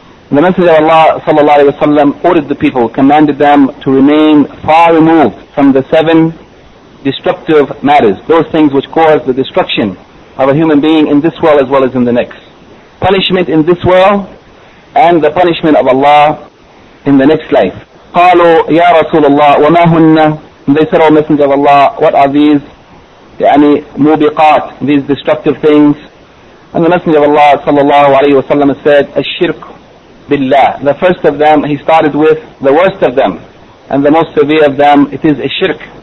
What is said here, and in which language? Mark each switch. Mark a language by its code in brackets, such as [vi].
[en] The Messenger of Allah sallallahu alayhi wa sallam ordered the people, commanded them to remain far removed from the seven destructive matters, those things which cause the destruction of a human being in this world as well as in the next. Punishment in this world and the punishment of Allah in the next life. [ar] قالوا يا رسول الله وما هن. [en] They said, O Messenger of Allah, what are these [ar] يعني موبقات, [en] these destructive things? And the Messenger of Allah sallallahu alayhi wa sallam said, [ar] الشرك بالله. [en] The first of them, he started with the worst of them and the most severe of them, it is a shirk.